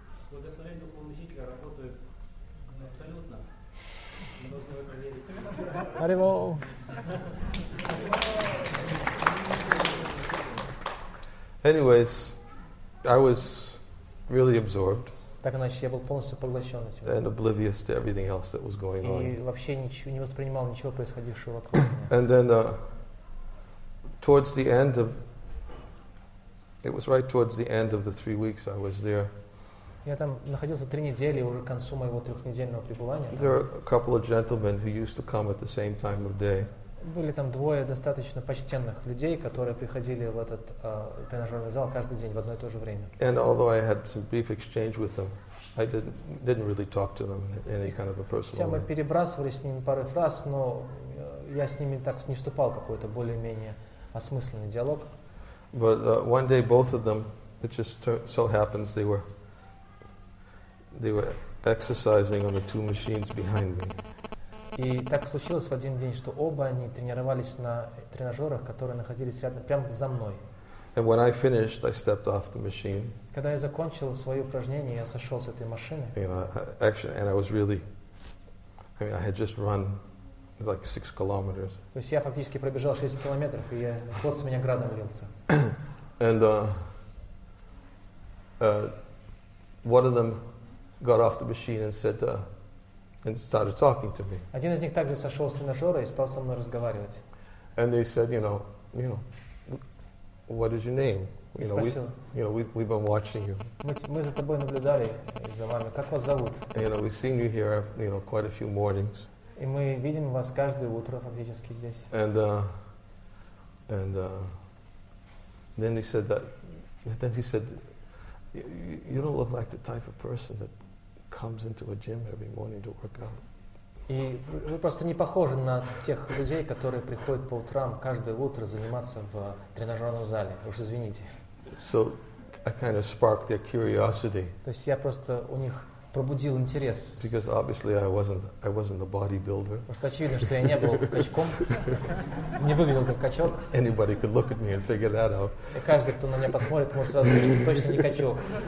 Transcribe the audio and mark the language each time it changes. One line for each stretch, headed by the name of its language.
Russian: Благословение духовного учителя работает абсолютно. Не должны вы проверить. Аримо!
English: Anyways, I was really absorbed.
Russian: Так иначе я был полностью поглощен этим.
English: And oblivious to everything else that was going on.
Russian: И вообще ничего не воспринимал ничего происходившего вокруг меня.
English: And then, towards the end of, it was right towards the end of the 3 weeks I was there.
Russian: Я там находился 3 недели уже к концу моего трехнедельного пребывания.
English: There were a couple of gentlemen who used to come at the same time of day.
Russian: Были там двое достаточно почтенных людей, которые приходили в этот тренажерный зал каждый день в одно и то же время.
English: And although I had some brief exchange with them, I didn't really talk to them in any kind of a personal way.
Russian: Хотя мы перебрасывались с ними пару фраз, но я с ними так не вступал в какой-то более-менее осмысленный диалог.
English: But one day both of them, it just so happens they were exercising on the two machines behind me.
Russian: И так случилось в один день, что оба они тренировались на тренажерах, которые находились рядом, прямо за мной.
English: And when I finished, I stepped off the machine.
Russian: Когда я закончил свое упражнение, я сошел с этой машины.
English: You know, actually, and I was really, I mean, I had just run like 6 kilometers.
Russian: То есть я фактически пробежал 6 километров, и пот с меня градом лился.
English: And one of them got off the machine and said, and started talking to me.
Russian: Один из них также сошел с тренажера и стал со мной разговаривать.
English: And they said, you know, what is your name? We've been watching you.
Russian: Мы за тобой наблюдали, за вами. Как вас зовут?
English: You know, we've seen you here, you know, quite a few mornings.
Russian: И мы видим вас каждое утро фактически здесь.
English: And then he said, you don't look like the type of person that comes into a gym every morning to work out.
Russian: И вы просто не похожи на тех людей, которые приходят по утрам каждое утро заниматься в тренажерном зале. Уж извините.
English: So I kind of sparked their curiosity.
Russian: То есть я просто у них пробудил интерес.
English: Because obviously I wasn't a bodybuilder.
Russian: Потому что очевидно, что я не был качком, не выглядел как качок.
English: Anybody could look at me and figure that out.
Russian: И каждый, кто на меня посмотрит, может сразу сказать, что точно не качок.